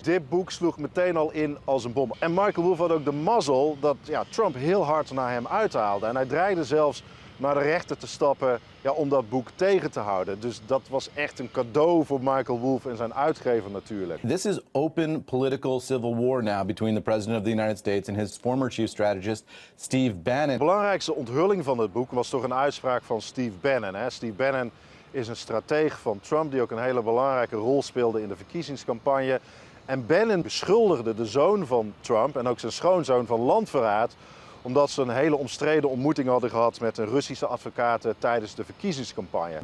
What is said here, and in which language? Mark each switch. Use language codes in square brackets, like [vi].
[nl] Dit boek sloeg meteen al in als een bom. En Michael Wolff had ook de mazzel dat Trump heel hard naar hem uithaalde. En hij dreigde zelfs naar de rechter te stappen om dat boek tegen te houden. Dus dat was echt een cadeau voor Michael Wolff en zijn uitgever natuurlijk. [en] This is open political civil war now between the president of the United States and his former chief strategist Steve Bannon. [nl] De belangrijkste onthulling van het boek was toch een uitspraak van Steve Bannon. Hè? Steve Bannon is een strateeg van Trump die ook een hele belangrijke rol speelde in de verkiezingscampagne. En Bannon beschuldigde de zoon van Trump en ook zijn schoonzoon van landverraad, omdat ze een hele omstreden ontmoeting hadden gehad met een Russische advocaat tijdens de verkiezingscampagne.